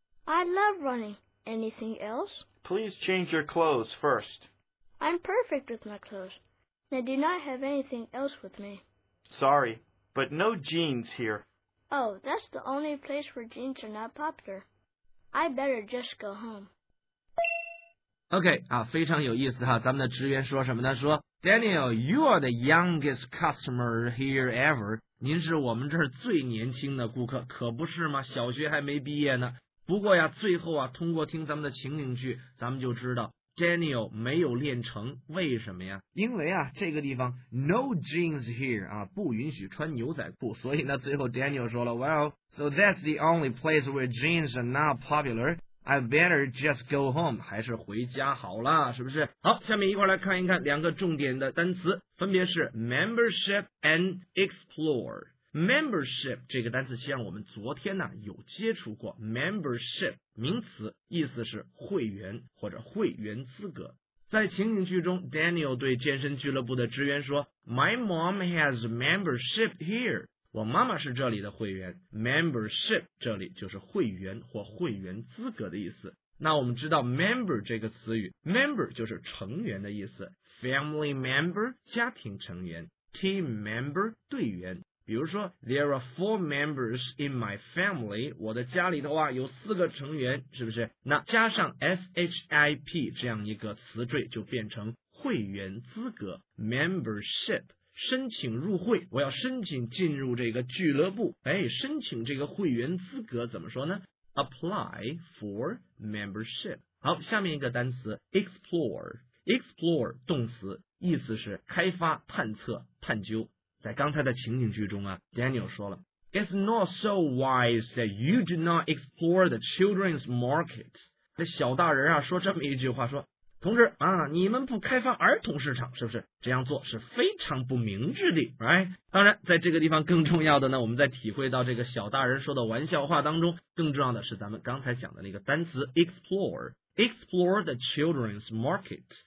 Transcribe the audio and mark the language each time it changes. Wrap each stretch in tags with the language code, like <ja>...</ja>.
<en>I love running. Anything else? Please change your clothes first. I'm perfect with my clothes. I do not have anything else with me. Sorry, but no jeans here. Oh, that's the only place where jeans are not popular. I better just go home.</en> <zh>OK, 啊，非常有意思哈，咱们的职员说什么呢？说</zh> <en>Daniel, you are the youngest customer here ever.</en> <zh>您是我们这儿最年轻的顾客，可不是吗？小学还没毕业呢。不过呀，最后啊，通过听咱们的情景剧，咱们就知道 Daniel 没有练成，为什么呀？因为啊，这个地方</zh> <en>no jeans here</en> <zh>啊，不允许穿牛仔裤，所以呢，最后 Daniel 说了 ，</zh> <en>Well, so that's the only place where jeans are not popular. I better just go home，</en> <zh>还是回家好了，是不是？好，下面一块来看一看两个重点的单词，分别是 membership and explore。 Membership 这个单词，像我们昨天呢有接触过 membership 名词，意思是会员或者会员资格。在情景剧中 ，Daniel 对健身俱乐部的职员说 ：</zh> <en>“My mom has membership here。”</en> <zh>我妈妈是这里的会员。Membership 这里就是会员或会员资格的意思。那我们知道 member 这个词语 ，member 就是成员的意思 ，family member 家庭成员 ，team member 队员。比如说 ,</zh> <en>there are four members in my family,</en> <zh>我的家里头啊有四个成员，是不是？那加上 SHIP 这样一个词缀就变成会员资格 ,membership, 申请入会，我要申请进入这个俱乐部，哎，申请这个会员资格怎么说呢？</zh> <en>Apply for membership。</en> <zh>好，下面一个单词 ,explore。 Explore 动词意思是开发、探测、探究。在刚才的情景剧中啊 ，Daniel 说了 ，</zh> <en>It's not so wise that you do not explore the children's market。</en> <zh>这小大人啊说这么一句话说，同志啊，你们不开发儿童市场是不是？这样做是非常不明智的 ，right？ 当然，在这个地方更重要的呢，我们在体会到这个小大人说的玩笑话当中，更重要的是咱们刚才讲的那个单词</zh> <en>explore the children's market。</en>